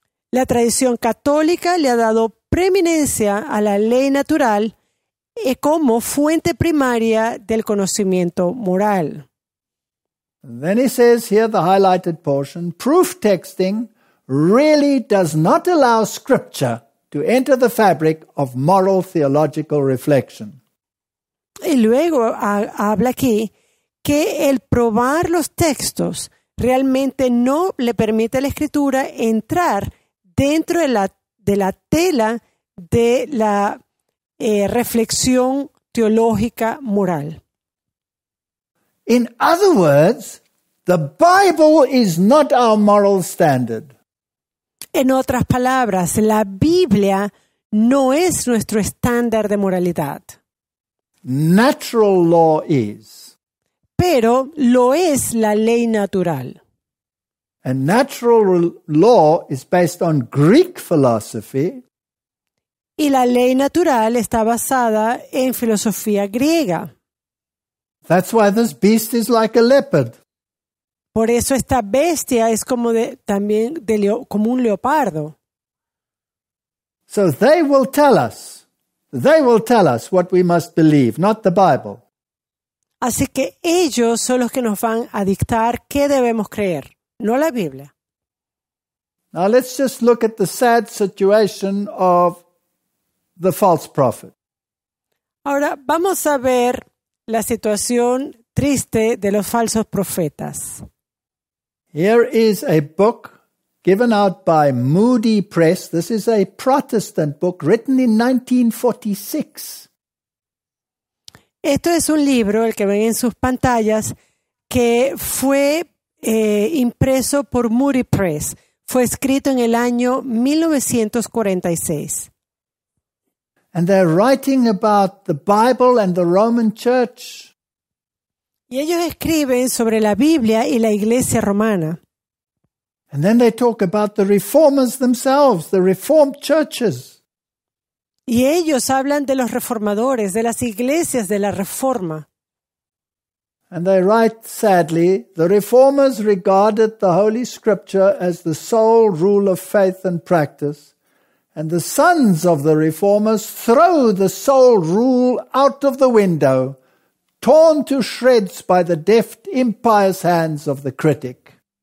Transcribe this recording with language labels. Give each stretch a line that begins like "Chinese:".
Spanish: La tradición católica le ha dado preeminencia a la ley natural como fuente primaria del conocimiento moral.
English: Then he says here the highlighted portion, proof texting really does not allow scripture to enter the fabric of moral theological reflection.
Spanish: Y luego habla aquí que el probar los textos realmente no le permite a la escritura entrar dentro de la tela de la reflexión teológica moral.
English: In other words, the Bible is not our moral standard.
Spanish: En otras palabras, la Biblia no es nuestro estándar de moralidad.
English: Natural law is.
Spanish: Pero lo es la ley natural.
English: And natural law is based on Greek philosophy.
Spanish: Y la ley natural está basada en filosofía griega.
English: That's why this beast is like a leopard.
Spanish: Por eso esta bestia es como como un leopardo.
English: So they will tell us what we must believe, not the Bible.
Spanish: Así que ellos son los que nos van a dictar qué debemos creer, no la Biblia.
English: Now let's just look at the sad situation of the false prophet.
Spanish: Ahora vamos a ver la situación triste de los falsos profetas.
English: Here is a book given out by Moody Press. This is a Protestant book written in 1946.
Spanish: Esto es un libro, el que ven en sus pantallas, que fue impreso por Moody Press. fue escrito en el año 1946.
English: And they're writing about the Bible and the Roman Church.
Spanish: Y ellos escriben sobre la Biblia y la Iglesia Romana.
English: And then they talk about the reformers themselves, the reformed churches.
Spanish: Y ellos hablan de los reformadores, de las iglesias de la Reforma.
English: And they write sadly, the reformers regarded the Holy Scripture as the sole rule of faith and practice. And the sons of the reformers throw the sole rule out of the window, torn to shreds by the deft, impious hands of the critic.